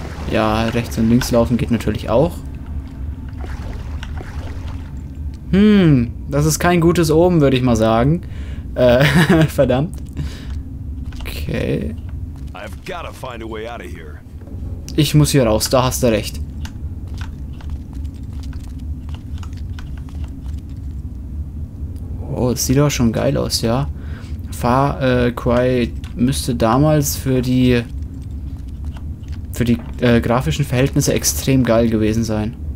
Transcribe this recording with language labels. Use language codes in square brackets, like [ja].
[de] Ja, rechts und links laufen geht natürlich auch. Das ist kein gutes Omen, würde ich mal sagen. verdammt. Okay. [en] I've gotta find a way out of here. [de] Ich muss hier raus, da hast du recht. Oh, das sieht doch schon geil aus, ja. Far Cry müsste damals für die grafischen Verhältnisse extrem geil gewesen sein.